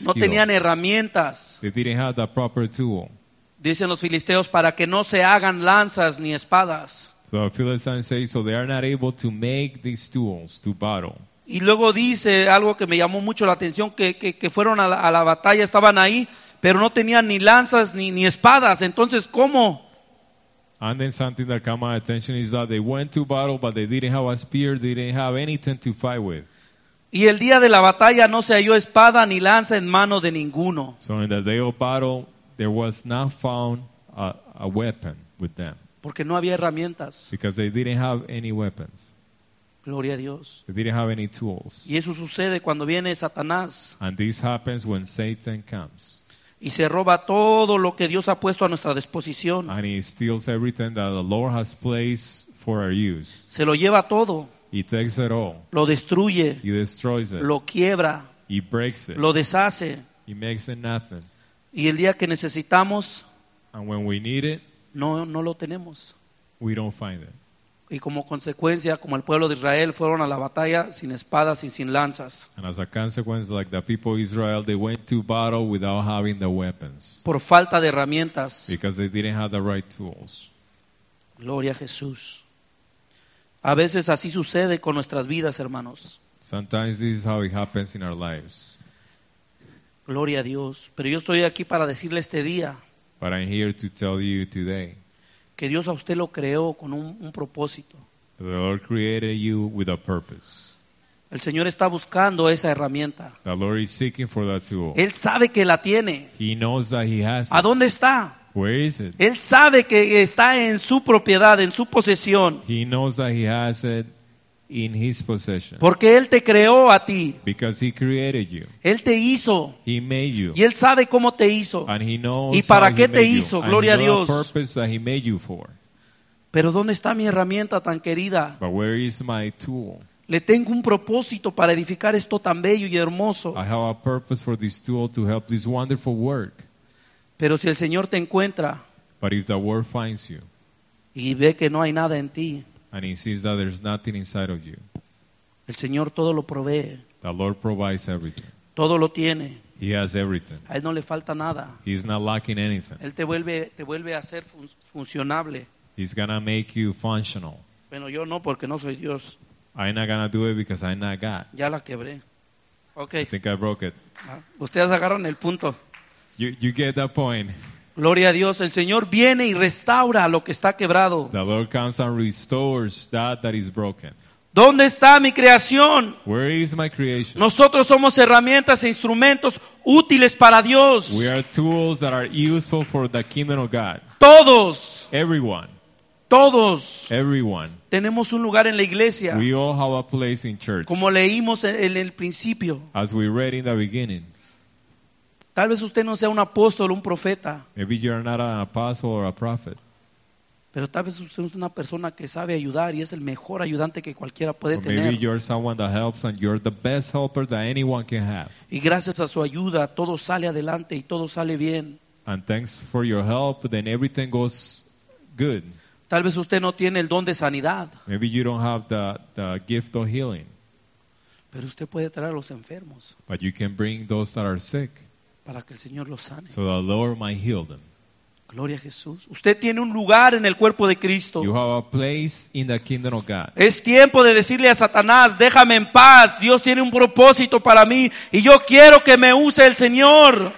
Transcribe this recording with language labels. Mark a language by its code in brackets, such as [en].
[es] skill. No tenían herramientas. [en] They didn't have the proper tool. [es] Dicen los filisteos, para que no se hagan lanzas ni espadas. [en] So Philistines say, so they are not able to make these tools to battle. [es] Y luego dice algo que me llamó mucho la atención, que fueron a la batalla, estaban ahí, pero no tenían ni lanzas ni espadas. Entonces, ¿cómo? [en] And then something that caught my attention is that they went to battle, but they didn't have a spear, they didn't have anything to fight with. [es] Y el día de la batalla no se halló espada ni lanza en mano de ninguno. [en] So in the day of battle, there was not found a weapon with them. [es] Porque no había herramientas. [en] Because they didn't have any weapons. [es] Gloria a Dios. [en] They didn't have any tools. [es] Y eso sucede cuando viene Satanás. [en] And this happens when Satan comes. [es] Y se roba todo lo que Dios ha puesto a nuestra disposición. [en] And he steals everything that the Lord has placed for our use. [es] Se lo lleva todo. [en] He takes it all. [es] Lo destruye. [en] He destroys it. [es] Lo quiebra. [en] He breaks it. [es] Lo deshace. [en] He makes it nothing. [es] Y el día que necesitamos, [en] and when we need it, [es] no lo tenemos. [en] We don't find it. [es] Y como consecuencia, como el pueblo de Israel fueron a la batalla sin espadas y sin lanzas. [en] And as a consequence, like the people of Israel, they went to battle without having the weapons. [es] Por falta de herramientas. [en] Because they didn't have the right tools. [es] Gloria a Jesús. A veces así sucede con nuestras vidas, hermanos. [en] Sometimes this is how it happens in our lives. [es] Gloria a Dios. Pero yo estoy aquí para decirle este día. [en] But I'm here to tell you today. [es] Que Dios a usted lo creó con un propósito. [en] The Lord created you with a purpose. [es] El Señor está buscando esa herramienta. [en] The Lord is seeking for that tool. [es] Él sabe que la tiene. [en] He knows that he has it. [es] ¿A dónde está? [en] Where is it? [es] Él sabe que está en su propiedad, en su posesión. [en] He knows that he has it in his possession. [es] Porque Él te creó a ti. [en] Because he created you. [es] Él te hizo. [en] He made you. [es] Y Él sabe cómo te hizo. [en] And he knows. [es] Y para qué te hizo, gloria a Dios. [en] And the purpose that he made you for. [es] Pero ¿dónde está mi herramienta tan querida? [en] But where is my tool? [es] Le tengo un propósito para edificar esto tan bello y hermoso. [en] I have a purpose for this tool to help this wonderful work. [es] Pero si el Señor te encuentra, [en] but if the Lord finds you, [es] y ve que no hay nada en ti, [en] and he sees that there's nothing inside of you, [es] el Señor todo lo provee. [en] The Lord provides everything. [es] Todo lo tiene. [en] He has everything. [es] A Él no le falta nada. [en] He's not lacking anything. [es] Él te vuelve a ser funcionable. [en] He's gonna make you functional. [es] Bueno, yo no, porque no soy Dios. [en] I'm not gonna do it because I'm not God. [es] Ya la quebré. Okay. [en] I think I broke it. [es] Ustedes agarran el punto. [en] You get that point. [es] Gloria a Dios, el Señor viene y restaura lo que está quebrado. [en] The Lord comes and restores that is broken. [es] ¿Dónde está mi creación? [en] Where is my creation? [es] Nosotros somos herramientas e instrumentos útiles para Dios. [en] We are tools that are useful for the kingdom of God. [es] Todos. [en] Everyone. [es] Todos. [en] Everyone. [es] Tenemos un lugar en la iglesia. [en] We all have a place in church. [es] Como leímos en el principio. [en] As we read in the beginning. [es] Tal vez usted no sea un apóstol o un profeta. [en] Maybe you're not an apostle or a prophet. [es] Pero tal vez usted es una persona que sabe ayudar y es el mejor ayudante que cualquiera puede tener. [en] Maybe you're someone that helps and you're the best helper that anyone can have. [es] Y gracias a su ayuda todo sale adelante y todo sale bien. [en] And thanks for your help, then everything goes good. [es] Tal vez usted no tiene el don de sanidad. [en] Maybe you don't have the gift of healing. [es] Pero usted puede traer a los enfermos. [en] But you can bring those that are sick. [es] para que el Señor los sane. [en] So the Lord might heal them. [es] Gloria a Jesús. Usted tiene un lugar en el cuerpo de Cristo. [en] You have a place in the kingdom of God. [es] Es tiempo de decirle a Satanás, déjame en paz. Dios tiene un propósito para mí y yo quiero que me use el Señor.